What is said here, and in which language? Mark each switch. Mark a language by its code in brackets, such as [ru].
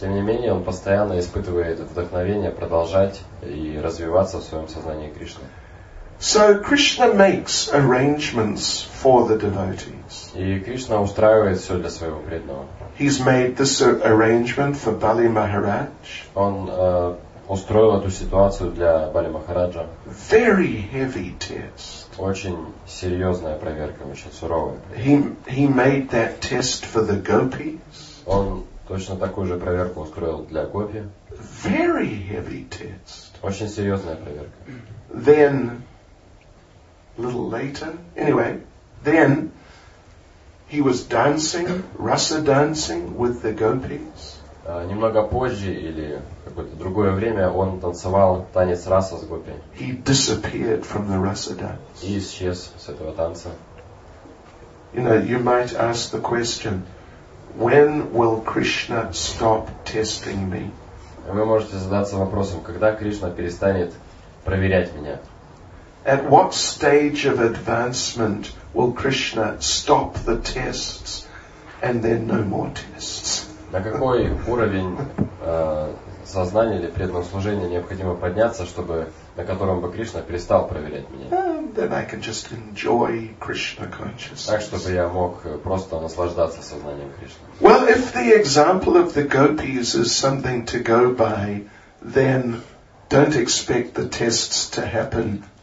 [ru] Тем не менее, он постоянно испытывает вдохновение продолжать и развиваться в своем сознании Кришны. [en] So Krishna makes arrangements for the devotees. [ru] И Кришна устраивает все для своего преданного. [en] He's made this arrangement for Bali Maharaj. [ru] Он устроил эту ситуацию для Бали Махараджа. [en] Very heavy test. [ru] Очень серьезная проверка, очень суровая. [en] He made that test for the gopis. [ru] Он точно такую же проверку устроил для гопи. [en] Very heavy test. [ru] Очень серьезная проверка. [en] Then a little later, anyway, then he was dancing, rasa dancing with the gopis. [ru] Немного позже или какое-то другое время он танцевал танец раса с гопи. [en] He disappeared from the rasa dance. [ru] И исчез с этого танца. [en] You know, you might ask the question, when will Krishna stop testing me? [ru] Вы можете задаться вопросом, когда Кришна перестанет проверять меня? [en] At what stage of advancement will Krishna stop the tests and then no more tests? [ru] На какой уровень сознания или преданного служения необходимо подняться, чтобы на котором бы Кришна перестал проверять меня? [en] Then I can just enjoy Krishna consciousness. [ru] Так, чтобы я мог просто наслаждаться сознанием Кришны. [en] Well, if the example of the gopis is something to go by, then don't expect the tests to happen.